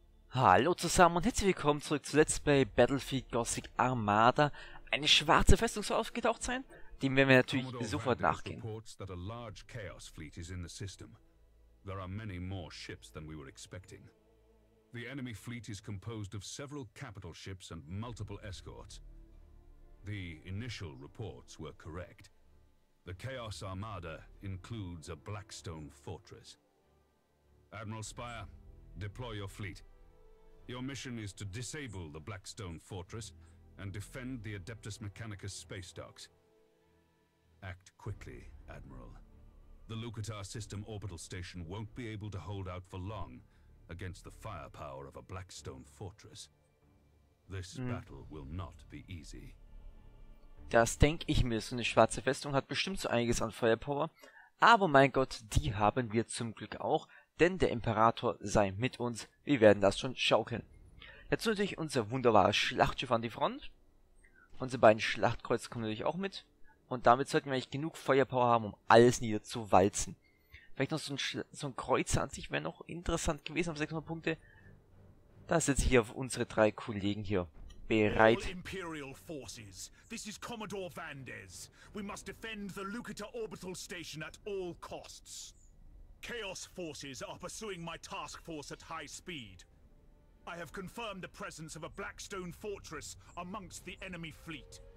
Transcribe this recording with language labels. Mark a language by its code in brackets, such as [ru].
[de] Hallo zusammen und herzlich willkommen zurück zu Let's Play Battlefield Gothic Armada. Eine schwarze Festung soll aufgetaucht sein, dem werden wir natürlich sofort nachgehen. [en] That a large chaos fleet is in the system. There are many more ships than we were expecting. The enemy fleet is composed of several capital ships and multiple escorts. The initial reports were correct. The Chaos Armada includes a Blackstone Fortress. Admiral Spire, deploy your fleet. Your mission is to disable the Blackstone Fortress and defend the Adeptus Mechanicus space docks. Act quickly, Admiral. The Lucatar System orbital station won't be able to hold out for long against the firepower of a Blackstone Fortress. This battle will not be easy. [de] Das denke ich mir, so eine schwarze Festung hat bestimmt so einiges an Firepower. Aber mein Gott, die haben wir zum Glück auch. Denn der Imperator sei mit uns, wir werden das schon schaukeln. Dazu natürlich unser wunderbares Schlachtschiff an die Front. Unsere beiden Schlachtkreuzer kommen natürlich auch mit. Und damit sollten wir eigentlich genug Feuerpower haben, um alles niederzuwalzen. Vielleicht noch so ein Kreuzer an sich wäre noch interessant gewesen auf 600 Punkte. Da setze ich hier auf unsere drei Kollegen hier. Bereit. [en] All Imperial Forces, this is Commodore Vandes. We must defend the Lucatar Orbital Station at all costs. Chaos forces are pursuing my task force at high speed. I have confirmed the presence of a Blackstone fortress amongst the enemy fleet.